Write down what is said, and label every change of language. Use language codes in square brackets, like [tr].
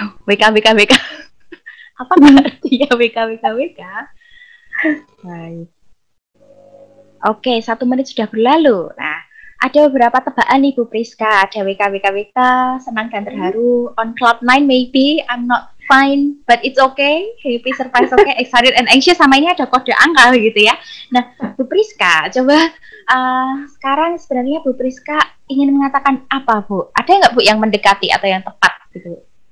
[id] WK. Apa artinya WK? Baik. Oke, 1 menit sudah berlalu. Nah, ada beberapa tebakan nih Bu Priska. Ada WK, senang dan terharu. [en] On cloud 9 maybe, I'm not fine, but it's okay. Happy, surprise, okay, excited and anxious. [id] Sama ini ada kode angka gitu ya. Nah, Bu Priska, coba sekarang sebenarnya Bu Priska ingin mengatakan apa, Bu? Ada nggak Bu yang mendekati atau yang tepat gitu?